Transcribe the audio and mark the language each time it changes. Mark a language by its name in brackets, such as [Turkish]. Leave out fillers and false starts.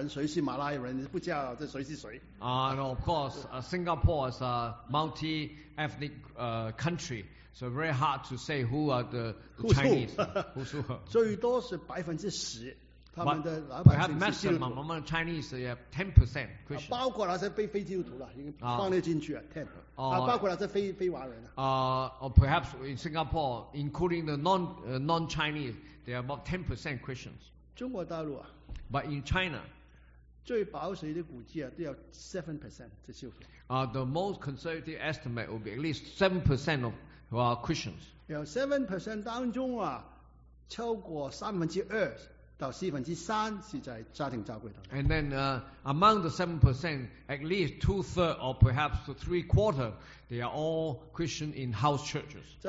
[Chinese] 新加坡很难说谁是华人，谁是新加坡人，谁是马来人，不知道这谁是谁。 [English] No, of course, Singapore is a multi-ethnic country, so very hard to say who are the Chinese. Who's who? [Chinese] 最多是10%。他们的老百姓是基督徒。 [English] Perhaps maximum among Chinese is 10% Christian. [Chinese] 包括那些非基督徒了，放在进去啊，包括那些非华人。 [English] Perhaps in Singapore, including the non-Chinese, they are about 10% Christians. [Chinese] 中国大陆啊, [English] but in China, [Chinese] 最保守的估计啊，都要 7% 这些。 [English] The most conservative estimate will be at least 7% of who are Christians. [Chinese] 有 7% 当中啊，超过1/3。 [English] And then among the 7%, at least 2/3 or perhaps 3/4, they are all Christian in house churches.